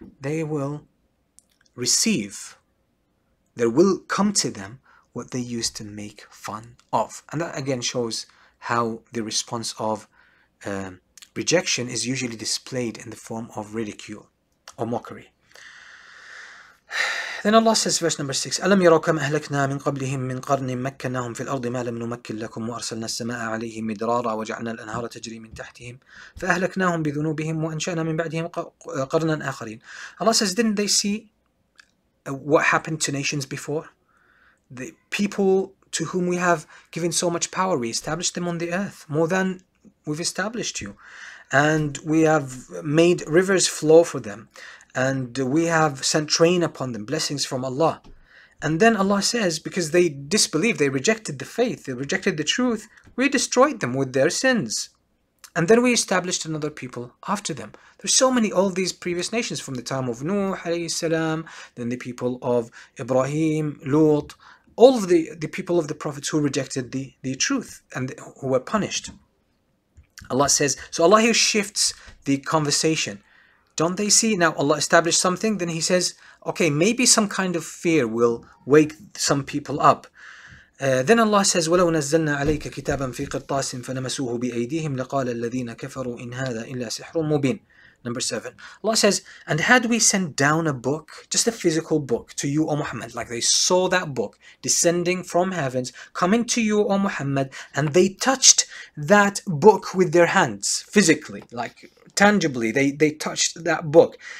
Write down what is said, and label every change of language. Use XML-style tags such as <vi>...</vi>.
<en>They will receive, there will come to them what they used to make fun of. And that again shows how the response of rejection is usually displayed in the form of ridicule or mockery.</en> <ar>Then Allah says, verse number 6, أَلَمْ يَرَوْا كَمْ أَهْلَكْنَا مِنْ قَبْلِهِمْ مِنْ قَرْنٍ مَكَّنَّاهُمْ فِي الْأَرْضِ مَا لَمْ نُمَكِّنْ لَكُمْ وَأَرْسَلْنَا السَّمَاءَ عَلَيْهِمْ مِدْرَارًا وَجَعَلْنَا الْأَنْهَارَ تَجْرِي مِنْ تَحْتِهِمْ فَأَهْلَكْنَاهُمْ بِذُنُوبِهِمْ وَأَنْشَأْنَا مِنْ بَعْدِهِمْ قَرْنًا آخَرِينَ.</ar> <en>Allah says, didn't they see what happened to nations before? The people to whom we have given so much power, we established them on the earth more than we've established you. And we have made rivers flow for them. And we have sent rain upon them, blessings from Allah. And then Allah says, because they disbelieved, they rejected the faith, they rejected the truth, we destroyed them with their sins. And then we established another people after them. There's so many, all these previous nations from the time of Nuh alayhi salam, then the people of Ibrahim, Lut, all of the people of the prophets who rejected the truth and who were punished. Allah says, so Allah here shifts the conversation. Don't they see? Now Allah established something, then He says, okay, maybe some kind of fear will wake some people up.</en> <ar>Then Allah says, وَلَوْ نَزَّلْنَا عَلَيْكَ كِتَابًا فِي قِطَّاسٍ فَنَمَسُوهُ بِأَيْدِيهِمْ لَقَالَ الَّذِينَ كَفَرُوا إِنْ هَذَا إِلَّا سِحْرٌ مُبِينٌ.</ar> <en>Number 7. Allah says, and had we sent down a book, just a physical book, to you, O Muhammad, like they saw that book descending from heavens, coming to you, O Muhammad, and they touched that book with their hands, physically, like tangibly, they touched that book.</en>